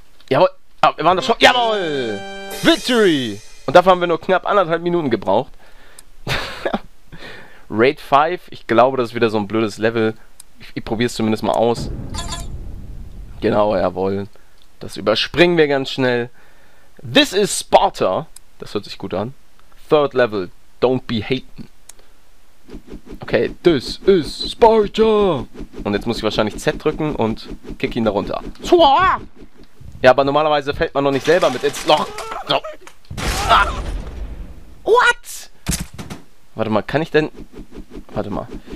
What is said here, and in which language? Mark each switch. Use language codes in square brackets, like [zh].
[de] Jawohl! Oh, wir waren doch schon... Jawohl! Victory! Und dafür haben wir nur knapp 1,5 Minuten gebraucht. Raid 5. Ich glaube, das ist wieder so ein blödes Level. Ich probier's zumindest mal aus. Genau, jawohl. Das überspringen wir ganz schnell. [en] This is Sparta. [de] Das hört sich gut an. [en] Third level, don't be hatin. Okay, this is Sparta. [de] Und jetzt muss ich wahrscheinlich Z drücken und kick ihn da runter. Ja, aber normalerweise fällt man noch nicht selber mit ins Loch. So. Ah. [en] What? [de] Warte mal, kann ich denn... Warte mal.